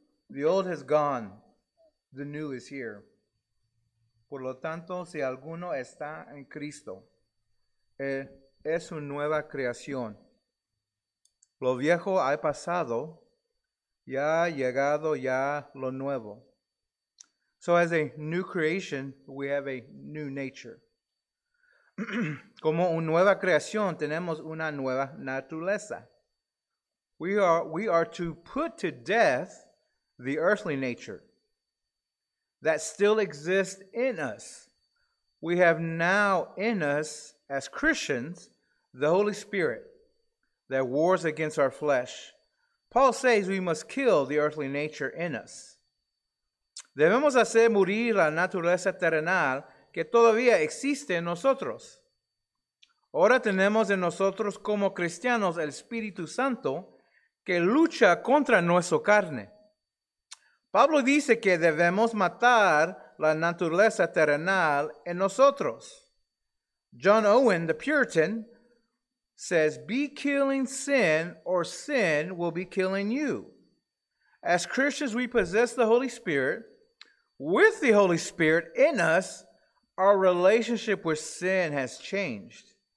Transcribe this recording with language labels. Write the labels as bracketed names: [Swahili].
[English] The old has gone, the new is here. [Spanish] Por lo tanto, si alguno está en Cristo, es una nueva creación. Lo viejo ha pasado, ya ha llegado ya lo nuevo. [English] So as a new creation, we have a new nature. [Spanish] Como una nueva creación, tenemos una nueva naturaleza. [English] We are to put to death the earthly nature that still exists in us. We have now in us, as Christians, the Holy Spirit that wars against our flesh. Paul says we must kill the earthly nature in us. [Spanish] Debemos hacer morir la naturaleza terrenal que todavía existe en nosotros. Ahora tenemos en nosotros como cristianos el Espíritu Santo que lucha contra nuestra carne. Pablo dice que debemos matar la naturaleza terrenal en nosotros. [English] John Owen, the Puritan, says, be killing sin or sin will be killing you. As Christians, we possess the Holy Spirit. With the Holy Spirit in us, our relationship with sin has changed.